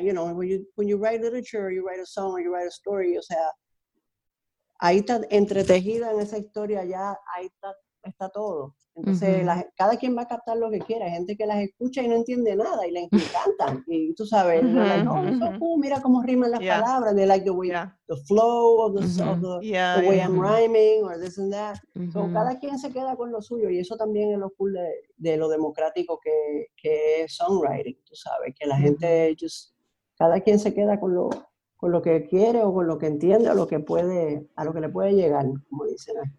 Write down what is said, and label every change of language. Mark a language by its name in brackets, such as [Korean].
[English] You know, when you write literature, you write a song, or you write a story, [Spanish] o sea. Ahí está entretejida en esa historia, ya ahí está todo. Entonces, cada quien va a captar lo que quiera. Hay gente que las escucha y no entiende nada y les encanta. Y tú sabes, mira cómo riman las palabras. [English] They like the way, the flow of the, the way I'm rhyming or this and that. [Spanish] So, cada quien se queda con lo suyo. Y eso también es lo cool de lo democrático que es songwriting, tú sabes. Que la gente, cada quien se queda con lo... con lo que quiere o con lo que entiende o lo que puede, a lo que le puede llegar, como dicen.